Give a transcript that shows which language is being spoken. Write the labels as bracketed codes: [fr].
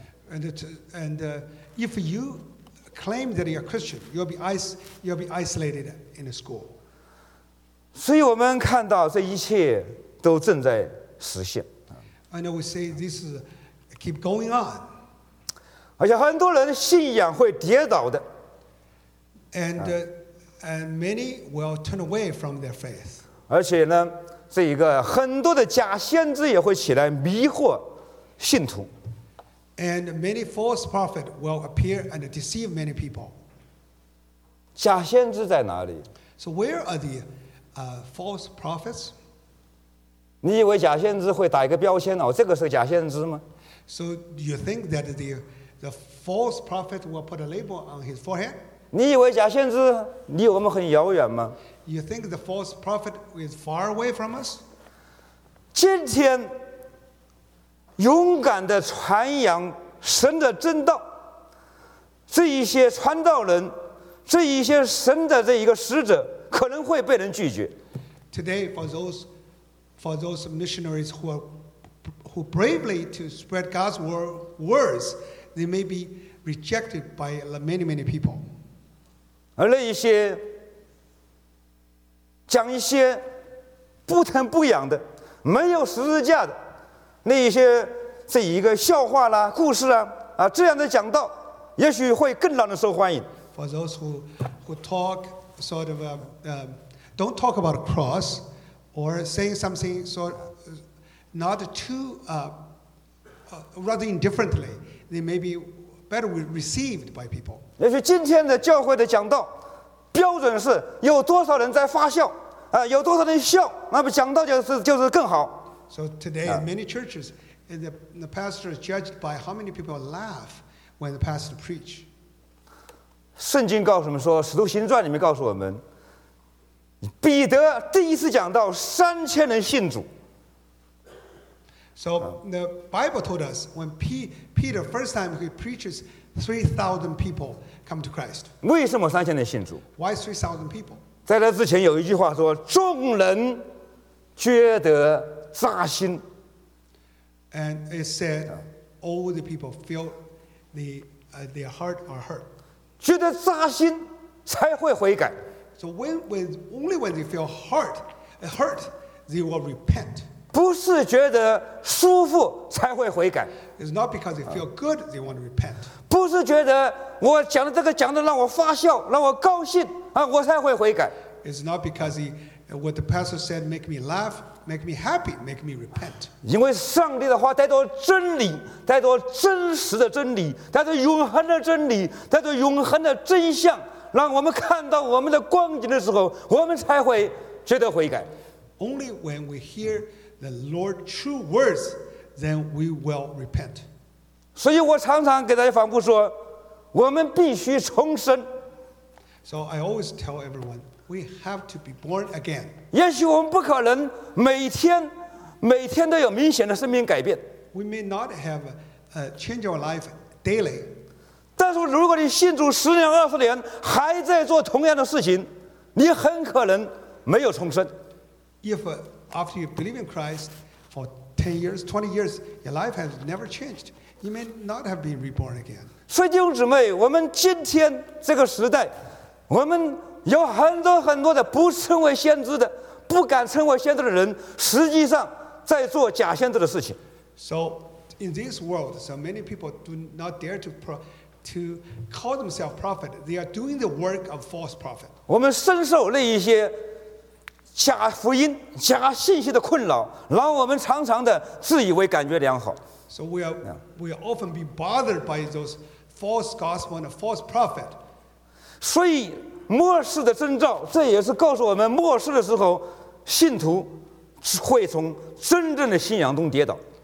[en] And if you claim that you're Christian, you'll be isolated in a school. [zh] 所以我们看到这一切都正在实现。 [en] I know we say this is keep going on. [zh] 而且很多人信仰会跌倒的。 [en] And many will turn away from their faith. [zh] 而且呢，这一个很多的假先知也会起来迷惑信徒。 [en] And many false prophets will appear and deceive many people. [zh] 假先知在哪里？ [en] So where are the false prophets? [zh] 你以为假先知会打一个标签哦，这个是假先知吗？ [en] So you think that the false prophet will put a label on his forehead? [zh] 你以为假先知离我们很遥远吗？ [en] You think the false prophet is far away from us? [zh] 今天勇敢地传扬神的真道，这一些传道人，这一些神的这一个使者，可能会被人拒绝。 [en] Today, for those missionaries who bravely to spread God's words, they may be rejected by many many people. [zh] 而那一些讲一些不疼不痒的、没有十字架的。那一些这一个笑话啦、故事啦、啊这样的讲道，也许会更让人受欢迎。 [en] For those who talk sort of don't talk about a cross or saying something sort not too rather indifferently, they may be better received by people. [zh] 也许今天的教会的讲道标准是有多少人在发笑啊，有多少人笑，那么讲道就是更好。 [en] So today, in many churches, the pastor is judged by how many people laugh when the pastor preach. [zh] 圣经告诉我们说，《使徒行传》里面告诉我们，彼得第一次讲到三千人信主。 [en] So the Bible told us when Peter first time he preaches, 3,000 people come to Christ. [zh] 为什么三千人信主 [en] ？Why 3,000 people？ [zh] 在那之前有一句话说，众人觉得。扎心。 [en] And it said, all the people feel their heart are hurt. [zh] 觉得扎心才会悔改。 [en] So only when they feel hurt, they will repent. [zh] 不是觉得舒服才会悔改。 [en] It's not because they feel good, they want to repent. [zh] 不是觉得我讲的这个讲的让我发笑，让我高兴啊，我才会悔改。 [en] It's not because what the pastor said make me laugh. Make me happy, make me repent. [zh] 因为上帝的话带着真理，带着真实的真理，带着永恒的真理，带着永恒的真相，让我们看到我们的光景的时候，我们才会觉得悔改。 [en] Only when we hear the Lord's true words, then we will repent. [zh] 所以我常常给大家反复说，我们必须重生。 [en] So I always tell everyone. We have to be born again. [zh] 也许我们不可能每天都有明显的生命改变。 [en] We may not have a change our life daily. [zh] 但是如果你信主十年、二十年，还在做同样的事情，你很可能没有重生。 [en] If after you believe in Christ for 10 years, 20 years, your life has never changed, you may not have been reborn again. [zh] 所以弟兄姊妹，我们今天这个时代，我们。有很多很多的不称为先知的、不敢称为先知的人，实际上在做假先知的事情。 [en] So in this world, so many people do not dare to call themselves prophet. They are doing the work of false prophet. [zh] 我们深受那一些假福音、假信息的困扰，然后我们常常的自以为感觉良好。 [en] So we are often be bothered by those false gospel and false prophet. [zh] 所以。末世的征兆，这也是告诉我们末世的时候，信徒会从真正的信仰中跌倒。